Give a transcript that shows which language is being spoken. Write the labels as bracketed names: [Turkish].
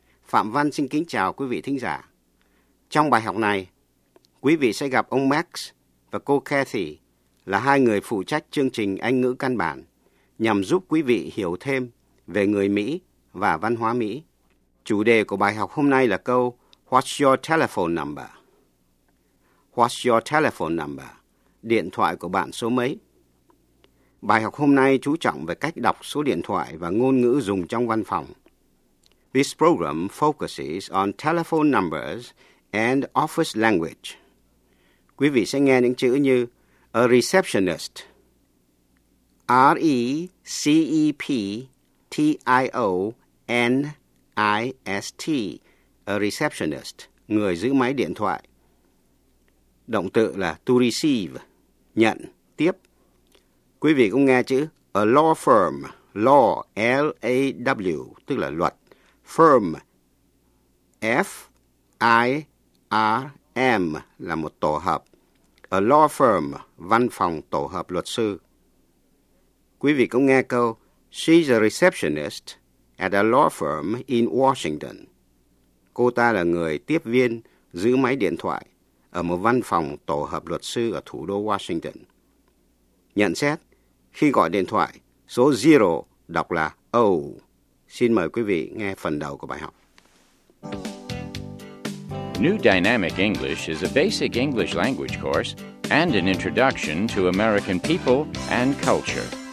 [Vietnamese] Phạm Văn xin kính chào quý vị thính giả. Trong bài học này, quý vị sẽ gặp ông Max và cô Kathy là hai người phụ trách chương trình Anh ngữ căn bản nhằm giúp quý vị hiểu thêm về người Mỹ và văn hóa Mỹ. Chủ đề của bài học hôm nay là câu [English] What's your telephone number? What's your telephone number? [Vietnamese] Điện thoại của bạn số mấy? Bài học hôm nay chú trọng về cách đọc số điện thoại và ngôn ngữ dùng trong văn phòng. [English] This program focuses on telephone numbers and office language. [Vietnamese] Quý vị sẽ nghe những chữ như a receptionist, receptionist, a receptionist, người giữ máy điện thoại. Động từ là to receive, nhận, tiếp. Quý vị cũng nghe chữ a law firm, law, L-A-W, tức là luật, firm, F-I-R-M, là một tổ hợp, a law firm, văn phòng tổ hợp luật sư. Quý vị cũng nghe câu, [English] she's a receptionist at a law firm in Washington. [Vietnamese] Cô ta là người tiếp viên giữ máy điện thoại ở một văn phòng tổ hợp luật sư ở thủ đô Washington. Nhận xét. Khi gọi điện thoại, số 0 đọc là O. Xin mời quý vị nghe phần đầu của bài học. [English] New Dynamic English is a basic English language course and an introduction to American people and culture.